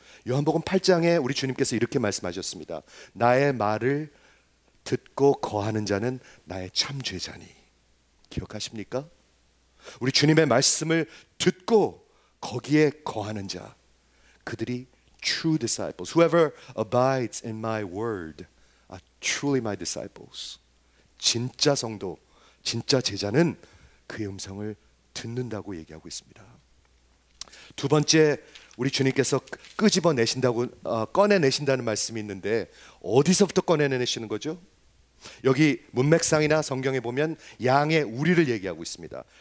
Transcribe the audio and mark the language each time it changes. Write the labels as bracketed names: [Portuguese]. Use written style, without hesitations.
[Korean] 요한복음 8장에 우리 주님께서 이렇게 말씀하셨습니다. 나의 말을 듣고 거하는 자는 나의 참죄자니. 기억하십니까? 우리 주님의 말씀을 듣고 거기에 거하는 자, 그들이 [English] true disciples. Whoever abides in my word are truly my disciples. [Korean] 진짜 성도, 진짜 제자는 그의 음성을 듣는다고 얘기하고 있습니다. 두 번째, 우리 주님께서 끄집어내신다고, 꺼내내신다는 말씀이 있는데 어디서부터 꺼내내시는 거죠? 여기 문맥상이나 성경에 보면 양의 우리를 얘기하고 있습니다.